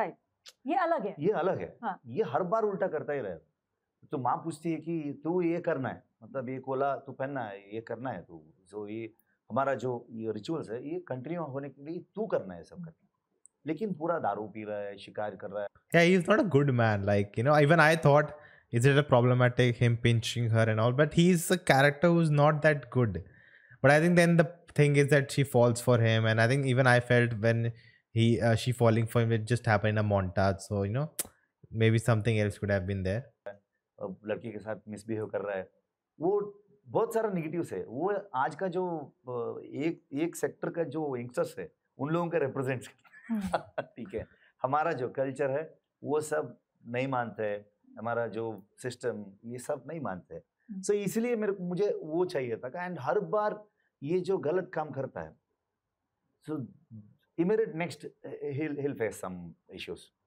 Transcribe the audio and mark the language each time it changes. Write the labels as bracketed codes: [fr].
[hi] Right ये अलग है हाँ. ये हर बार उल्टा करता ही रहे तो माँ पूछती है कि तू ये करना है मतलब ये कोला तू पहनना है ये करना है तू जो ये हमारा जो ये रिचुअल्स है ये कंटिन्यू होने के लिए तू करना है सब करना है. लेकिन पूरा दारू पी रहा है शिकार कर रहा है [en] yeah, he is not a good man, like, you know, even I thought, Is it a problematic him pinching her and all? But he's a character who's not that good. But I think then the thing is that she falls for him, and I think even I felt when she falling for him, it just happened in a montage. So you know, maybe something else could have been there. [hi] अब लड़की के साथ misbehave कर रहा है. वो बहुत सारा negatives है. वो आज का जो एक sector का जो youngsters है, उन लोगों का represents. ठीक है. हमारा जो culture है, वो सब नहीं मानते हैं. हमारा जो सिस्टम ये सब नहीं मानते सो इसलिए मुझे वो चाहिए था एंड हर बार ये जो गलत काम करता है [en] so immediate next he will face some issues